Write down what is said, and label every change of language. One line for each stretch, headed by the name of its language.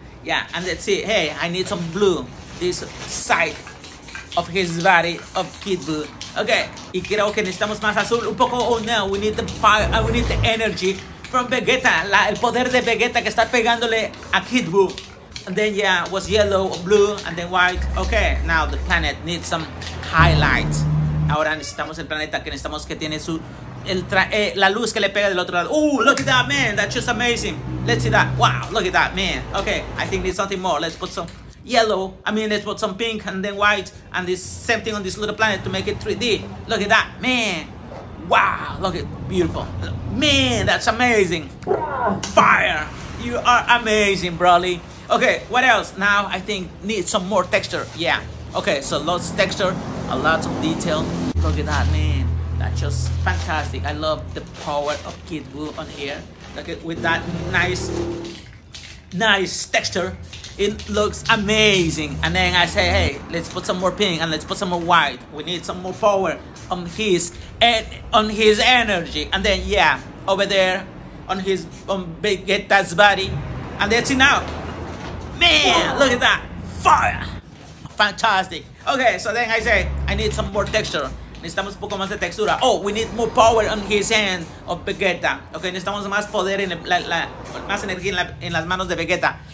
English: Yeah, and let's see, hey, I need some blue. This side of his body of Kid Blue.
Spanish: Okay, y creo que necesitamos más azul, un poco, oh no,
English: we need the fire, we need the energy from Vegeta,
Spanish: el poder de Vegeta que está pegándole a Kid Buu.
English: And then yeah, was yellow, blue, and then white. Okay, now the planet needs some highlights.
Spanish: Ahora necesitamos el planeta que necesitamos que tiene su, la luz que le pega del otro lado.
English: Ooh, look at that, man, that's just amazing. Let's see that, wow, look at that, man. Okay, I think there's something more, let's put some yellow, I mean, let's put some pink and then white, and this same thing on this little planet to make it 3D. Look at that, man. Wow, look at, beautiful. Man, that's amazing. Fire, you are amazing, Broly. Okay, what else? Now I think need some more texture, yeah. Okay, so lots of texture, a lot of detail. Look at that, man, that's just fantastic. I love the power of Kid Buu on here. Look at, with that nice texture. It looks amazing. And then I say, hey, let's put some more pink and let's put some more white. We need some more power on his energy. And then, yeah, over there on his Vegeta's body. And that's it now. Man, look at that. Fire. Fantastic. Okay, so then I say, I need some more texture.
Spanish: Necesitamos un poco más de textura.
English: Oh, we need more power on his hand of Vegeta.
Spanish: Okay, necesitamos más poder en más energía en las manos de Vegeta.